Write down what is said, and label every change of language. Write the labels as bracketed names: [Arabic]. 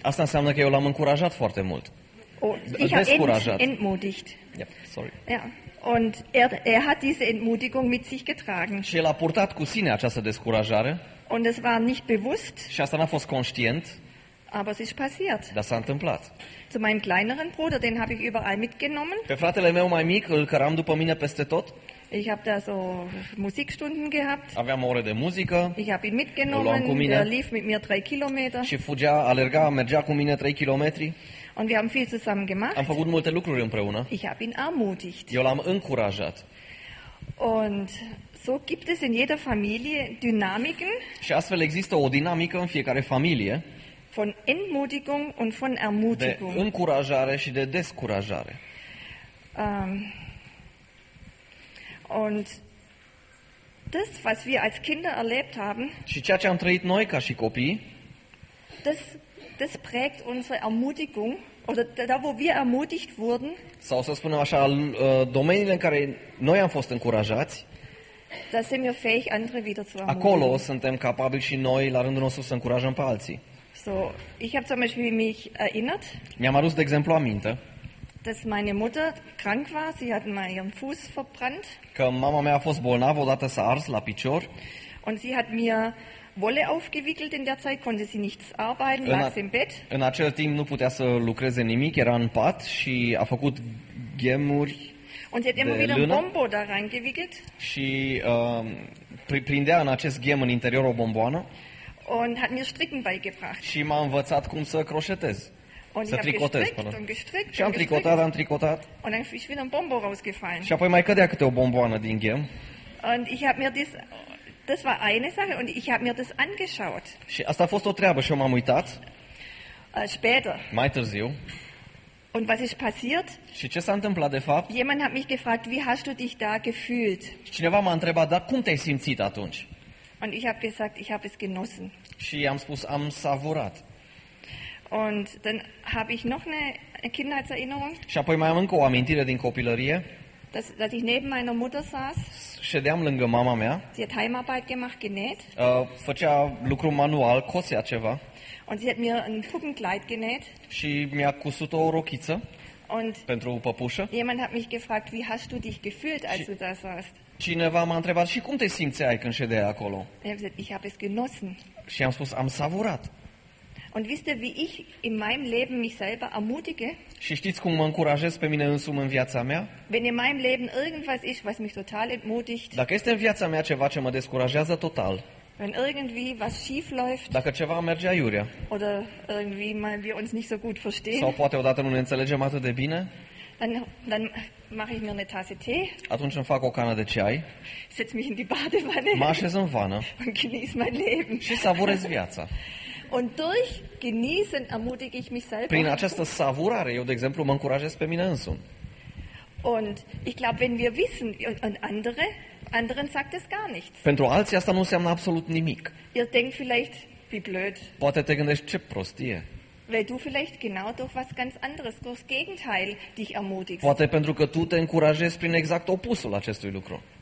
[Romanian] Asta înseamnă că eu l-am încurajat foarte mult. Descurajat. [English] Yeah. [German] Und er hat diese Entmutigung mit sich getragen. [Romanian] Și el a purtat cu sine această descurajare. [German] Und es war nicht bewusst. [Romanian] Și asta n-a fost conștient. [German] Aber es ist passiert. Das [Romanian] s-a întâmplat. [German] Zu meinem kleineren Bruder, den habe ich überall mitgenommen. [Romanian] Pe fratele meu mai mic, îl căram după mine peste tot. [German] Ich habe da so Musikstunden gehabt. [Romanian] Aveam ore de muzică. [German] Ich habe ihn mitgenommen. Er lief mit mir 3 Kilometer. [Romanian] Și fugea, alerga, mergea cu mine 3 kilometri. [German] Und wir haben viel zusammen gemacht. [Romanian] Am făcut multe lucruri împreună. [German] Ich habe ihn ermutigt. [Romanian] Eu l-am încurajat. [German] Und so gibt es in jeder Familie Dynamiken. [Romanian] Și astfel există o dinamică în fiecare familie. [German] Von Entmutigung und von Ermutigung. [Romanian] De încurajare și de descurajare. [German] Und das, was wir als Kinder erlebt haben. [Romanian] Și ceea ce am trăit noi ca și copii. [German] Das prägt unsere Ermutigung oder da wo wir ermutigt wurden. [Romanian] Sau să spunem așa, domeniile în care noi am fost încurajați. [German] Da sind wir fähig, andere wieder zu ermutigen. [Romanian] Acolo suntem capabili și noi la rândul nostru să încurajăm pe alții. [German] So, ich habe zum Beispiel mich erinnert. [Romanian] Mi-am adus, de exemplu, aminte. [German] Dass meine Mutter krank war, sie hat mal ihren Fuß verbrannt. [Romanian] Că mama mea a fost bolnavă, odată s-a ars la picior. [German] Und sie hat mir Wolle aufgewickelt, in der Zeit konnte sie nichts arbeiten, lag im Bett. [Romanian] În acel timp nu putea să lucreze nimic, era în pat și a făcut gemuri. [German] Und sie hat immer wieder [Romanian] lână. [German] Ein Bombo da reingewickelt. [Romanian] Și prindea în acest gem în interior o bomboană. [German] Und hat mir stricken beigebracht. [Romanian] Și m-a învățat cum să croșetez. [German] Und [Romanian] să tricotez, pardon. Și am tricotat, am tricotat. [German] Und dann ist wieder ein Bombo rausgefallen. [Romanian] Și apoi mai cădea câte o bomboană din gem. [German] Und ich habe mir das war eine Sache und ich habe mir das angeschaut. [Romanian] Și asta a fost o treabă și eu m-am uitat. [German] Später. [Romanian] Mai târziu. [German] Und was ist passiert? [Romanian] Și ce s-a întâmplat de fapt? [German] Jemand hat mich gefragt, wie hast du dich da gefühlt? [Romanian] Cineva m-a întrebat, dar cum te-ai simțit atunci? [German] Und ich habe gesagt, ich habe es genossen. [Romanian] Și am spus, am savurat. [German] Und dann habe ich noch eine Kindheitserinnerung. [Romanian] Și apoi mai am încă o amintire din copilărie. [German] Dass ich neben meiner Mutter saß. [Romanian] Ședeam lângă mama mea. [German] Sie hat Heimarbeit gemacht, genäht. [Romanian] Făcea lucru manual, cosea ceva. [German] Und sie hat mir ein Puppenkleid genäht. [Romanian] Și mi-a cusut o rochiță. [German] Und [Romanian] pentru o păpușă. [German] Jemand hat mich gefragt, wie hast du dich gefühlt, als du da saßt? [Romanian] Cineva m-a întrebat, și cum te simțeai când ședeai acolo? [German] Ich habe es genossen. [Romanian] Și am spus, am savurat. [German] Und wisst ihr, wie ich in meinem Leben mich selber ermutige? [Romanian] Și știți cum mă încurajez pe mine însumi în viața mea? [German] Wenn in meinem Leben irgendwas ist, was mich total entmutigt. [Romanian] Dacă este în viața mea ceva ce mă descurajează total. [German] Wenn irgendwie was schief läuft. [Romanian] Dacă ceva merge aiurea. [German] Oder irgendwie mal wir uns nicht so gut verstehen. [Romanian] Sau poate odată nu ne înțelegem atât de bine. [German] Dann mache ich mir eine Tasse Tee. [Romanian] Atunci îmi fac o cană de ceai. [German] Setz mich in die Badewanne. [Romanian] Mă așez în vană. [German] Und genieß mein Leben. [Romanian] Și savurez viața. [German] Und durch genießen ermutige ich mich selber. [Romanian] Prin această savurare, eu de exemplu, mă încurajez pe mine însumi. [German] Und ich glaube, wenn wir wissen und andere, Anderen sagt es gar nichts. [Romanian] Pentru alții asta nu înseamnă absolut nimic. [German] Ihr denkt vielleicht, wie blöd. [Romanian] Poate te gândești ce prostie. [German] Weil du vielleicht genau durch was ganz anderes, durchs Gegenteil, dich ermutigst. [Romanian] Poate pentru că tu te încurajezi prin exact opusul acestui lucru.